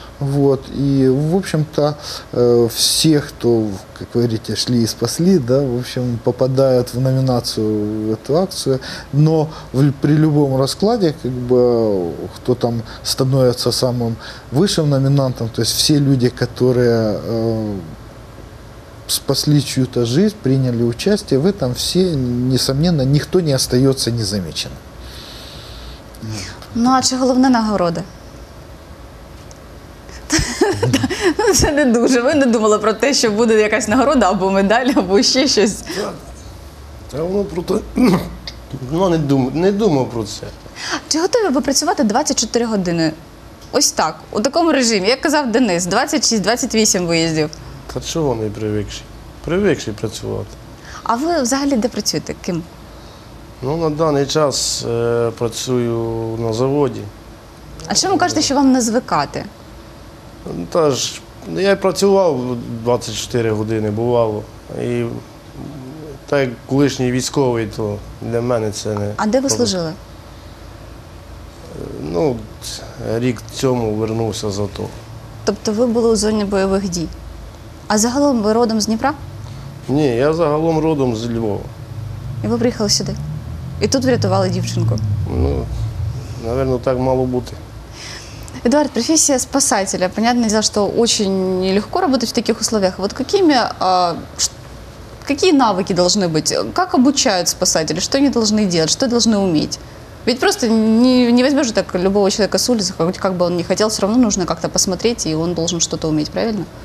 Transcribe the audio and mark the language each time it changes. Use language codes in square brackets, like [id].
[ru] Вот, и, в общем-то, все, кто, как вы говорите, шли и спасли, да, в общем, попадают в номинацию в эту акцию, но при любом раскладе, как бы, кто там становится самым высшим номинантом, то есть все люди, которые спасли чью-то жизнь, приняли участие в этом, все, несомненно, никто не остается незамеченным. Ну, а что главная нагорода? [uk] Це не дуже. Ви не думали про те, що буде якась нагорода або медаль, або ще щось? Та воно про те. Ну, не думав про це. Чи готові ви працювати 24 години? Ось так, у такому режимі. Як казав Денис, 26-28 виїздів. Та чого не привикши? Привикши працювати. А ви взагалі де працюєте? Ким? Ну, на даний час працюю на заводі. А чому кажете, що вам не звикати? Та ж, я працював 24 години, бувало, і так як колишній військовий, то для мене це не... А де ви служили? Ну, рік цьому вернувся з АТО. Тобто ви були у зоні бойових дій? А загалом ви родом з Дніпра? Ні, я загалом родом з Львова. І ви приїхали сюди? І тут врятували дівчинку? Ну, наверное, так мало бути. [ru] Эдуард, профессия спасателя. Понятное дело, что очень нелегко работать в таких условиях. Вот какими, какие навыки должны быть? Как обучают спасатели? Что они должны делать? Что должны уметь? Ведь просто не возьмешь так любого человека с улицы, хоть как бы он ни хотел, все равно нужно как-то посмотреть, и он должен что-то уметь, правильно?